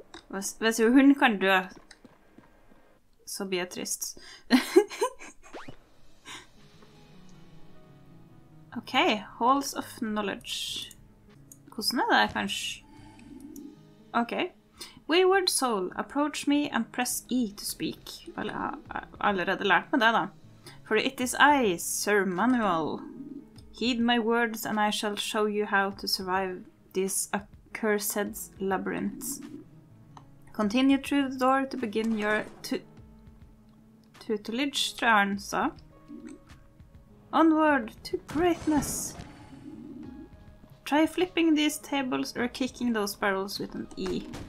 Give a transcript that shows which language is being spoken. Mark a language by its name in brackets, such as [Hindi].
[Norwegian] Hvis hun kan dø, så blir jeg trist. Ok, Halls of Knowledge. Hvordan det, kanskje? Ok. [English] Wayward soul, approach me and press E to speak. [Norwegian] Vel, jeg har allerede lært meg det, da. [English] For it is I, Sir Manuel. Heed my words and I shall show you how to survive this accursed labyrinth. Continue through the door to begin your tutelage, [Norwegian] tror jeg han sa. [English] Onward to greatness. Try flipping these tables or kicking those barrels with an E.